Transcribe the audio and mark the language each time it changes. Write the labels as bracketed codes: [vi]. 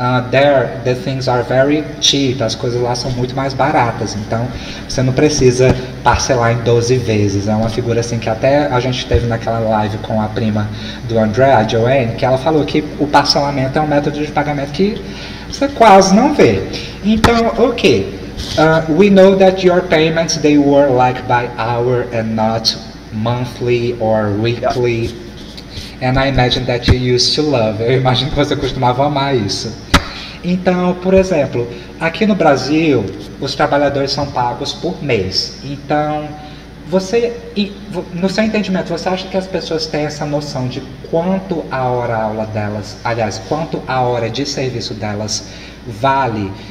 [en] There, the things are very cheap. [pt] As coisas lá são muito mais baratas. Então, você não precisa parcelar em 12 vezes. É uma figura assim que até a gente teve naquela live com a prima do André, a Joanne, que ela falou que o parcelamento é um método de pagamento que você quase não vê. Então, ok. [en] We know that your payments, they were like by hour and not monthly or weekly. Yeah. And I imagine that you used to love. [pt] Eu imagino que você costumava amar isso. Então, por exemplo, aqui no Brasil, os trabalhadores são pagos por mês. Então, você, no seu entendimento, você acha que as pessoas têm essa noção de quanto a hora aula delas, aliás, quanto a hora de serviço delas vale?